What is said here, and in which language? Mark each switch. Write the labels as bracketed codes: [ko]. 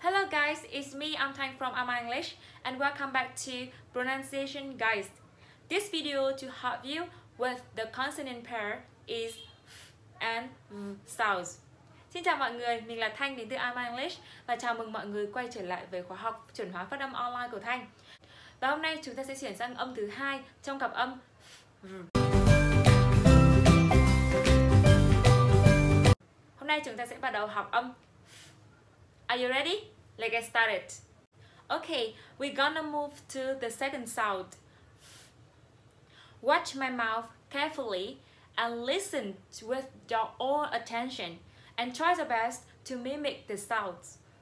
[en] guys, it's me, I'm Thanh from Ama English, and welcome back to Pronunciation Guide. This video to help you with the consonant pair is F and V sounds. [vi] Xin chào mọi người, mình là Thanh đến từ Ama English và chào mừng mọi người quay trở lại với khóa học chuẩn hóa phát âm online của Thanh. Và hôm nay chúng ta sẽ chuyển sang âm thứ hai trong cặp âm F, V. Hôm nay chúng ta sẽ bắt đầu học âm F. [en] Are you ready? Let's get started. Okay, we're gonna move to the second sound. Watch my mouth carefully and listen with your all attention and try the best to mimic the sounds.